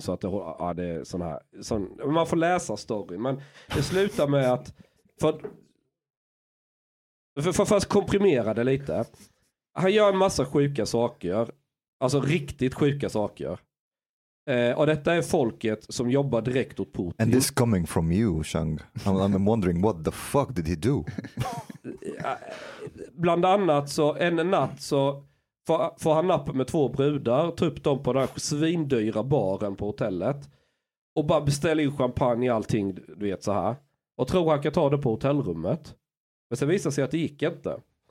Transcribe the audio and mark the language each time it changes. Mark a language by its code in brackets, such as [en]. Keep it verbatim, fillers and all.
[sv] Så att det, ja, det är sån här... Sån, man får läsa story. Men det slutar med att... För, för, för, för att komprimera det lite. Han gör en massa sjuka saker. Alltså riktigt sjuka saker. Eh, och detta är folket som jobbar direkt åt Putin. [en] And this coming from you, Shang. I'm, I'm wondering what the fuck did he do? [sv] Bland annat så en natt så får, får han napp med två brudar. Tar upp dem på den här svindyra baren på hotellet. Och bara beställer in champagne och allting, du vet så här. Och tror han kan ta det på hotellrummet. Men sen visar sig att det gick inte.